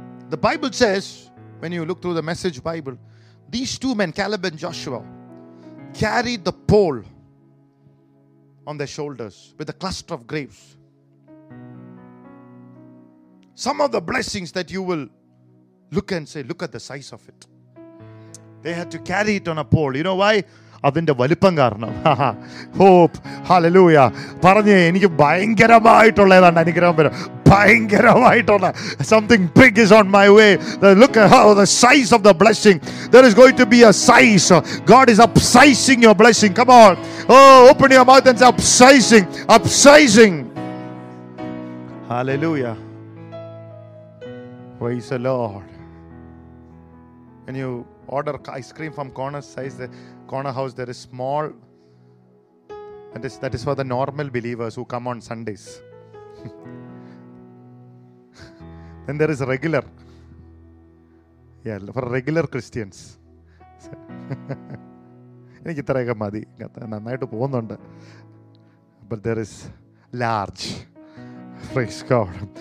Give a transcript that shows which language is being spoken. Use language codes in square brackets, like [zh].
[en] The Bible says, when you look through the Message Bible, these two men, Caleb and Joshua, carried the pole on their shoulders with a cluster of grapes. Some of the blessings that you will look and say, look at the size of it. They had to carry it on a pole. You know why? [ml] അതിന്റെ വലിപ്പം കാരണം. Hope, hallelujah. പറഞ്ഞേ, എനിക്ക് ഭയങ്കരമായിട്ടുള്ളതാണ് അനുഗ്രഹം വരും. ഭയങ്കരമായിട്ടുള്ള [en] Something big is on my way. Look how the size of the blessing. There is going to be a size. God is upsizing your blessing. Come on, oh open your mouth and upsizing, upsizing. Hallelujah. Praise the Lord. When you order ice cream from corner size corner house, there is small, and that is for the normal believers who come on Sundays. Then there is regular, yeah, for regular Christians. [ml] Enikku ithrayekku madi, nannayittu povunnund. [en] But there is large. Praise God.